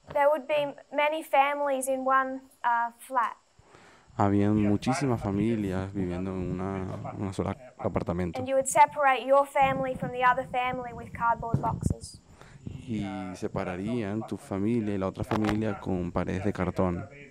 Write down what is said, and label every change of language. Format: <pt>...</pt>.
<en>There would be many families in one flat.</en> <es>Habían muchísimas familias viviendo en una sola apartamento.</es> <en>And you would separate your family from the other family with cardboard boxes.</en> <es>Y separarían tu familia y la otra familia con paredes de cartón.</es>